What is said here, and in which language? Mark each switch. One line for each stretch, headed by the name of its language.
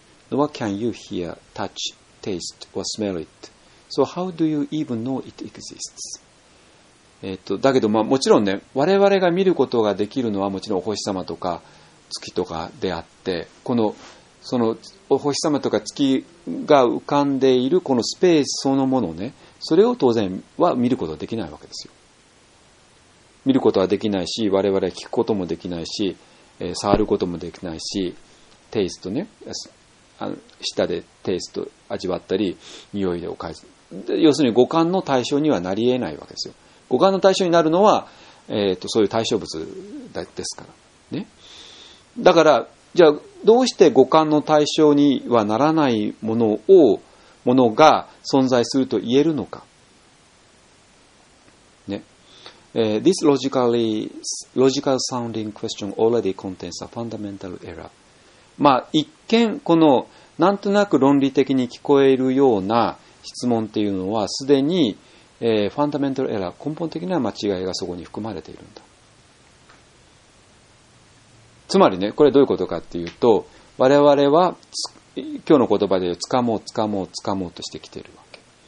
English: Nor can you hear, touch, taste, or smell it. So how do you even know it exists?
Japanese: だけど、まあ、もちろんね、我々が見ることができるのはもちろんお星様とか月とかであって、このそのお星様とか月が浮かんでいるこのスペースそのものね、それを当然は見ることはできないわけですよ。見ることはできないし、我々は聞くこともできないし、触ることもできないし、テイストね、舌でテイスト味わったり、匂いでお返し、要するに五感の対象にはなり得ないわけですよ。五感の対象になるのは、そういう対象物ですから。ね。だから、じゃあ、どうして五感の対象にはならないものを、ものが存在すると言えるのか。ね。
English: This logical sounding question already contains a fundamental error.
Japanese: まあ、一見、この、なんとなく論理的に聞こえるような質問っていうのは、すでに、ファンダメンタルエラー、根本的な間違いがそこに含まれているんだ。つまりね、これどういうことかっていうと、我々は今日の言葉で掴もう掴もう掴もうとしてきているわけ。